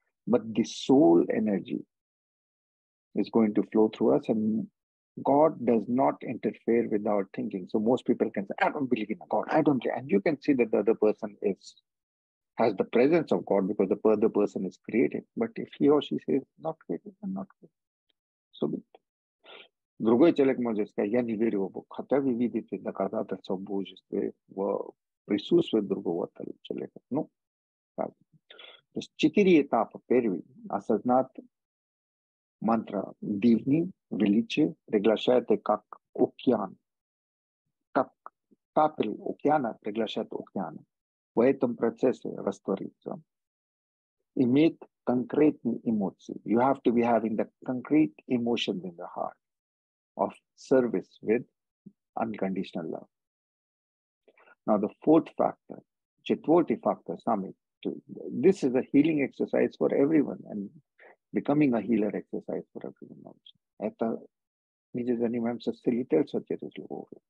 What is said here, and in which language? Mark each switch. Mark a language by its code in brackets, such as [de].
[en] But the soul energy is going to flow through us, and God does not interfere with our thinking. So most people can say, I don't believe in God. I don't care. And you can see that the other person is has the presence of God because the other person is created. But if he or she says, not created, then not created. So be it. [ru] Другой человек может сказать, я не верю в Бога, хотя вы видите доказательства в Божестве, в присутствии другого человека. Ну, так. То есть четыре этапа. Первый, осознать мантра дивни, величие, приглашает как океан, как капель океана приглашает океан. В этом процессе раствориться. Иметь конкретные эмоции. [en] You have to be having the concrete emotions in the heart. Of service with unconditional love. Now the fourth factor, Chitvorti factor, summit. This is a healing exercise for everyone and becoming a healer exercise for everyone also.